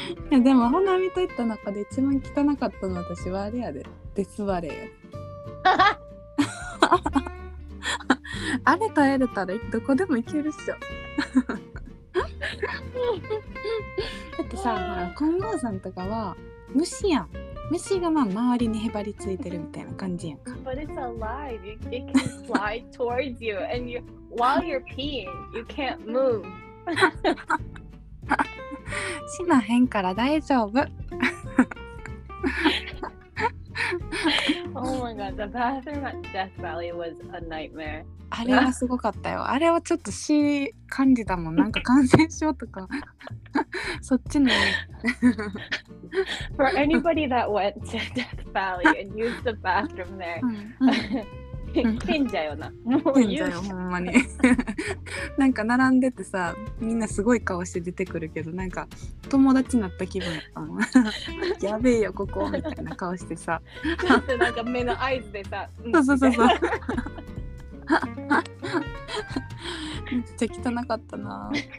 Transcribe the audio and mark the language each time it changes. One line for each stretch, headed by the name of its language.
Japanese: いやでもほなみと行った中で一番汚かったのは私はあれやで、デスバレーやあれ耐えれたらどこでも行けるっしょだってさ、まあ、金剛さんとかは虫やん、虫がまあ周りにへばりついてるみたいな感じやんか。
English: But it's alive. It can fly towards you and you, while you're peeing you can't move.
Japanese: 死なへんから大丈夫。
English: Oh my god, the bathroom at Death Valley was a nightmare.
Japanese: あれはすごかったよ。あれはちょっと死感じたもん。なんか感染症とか、そっちの。
English: For anybody that went to Death Valley and used the bathroom there.
Japanese: 賢者よな、賢者よほんまになんか並んでてさ、みんなすごい顔して出てくるけど、なんか友達になった気分や、やべえよここみたいな顔してさ、なんか目の合図でさ、そうそうそうそうめっちゃ汚かったな。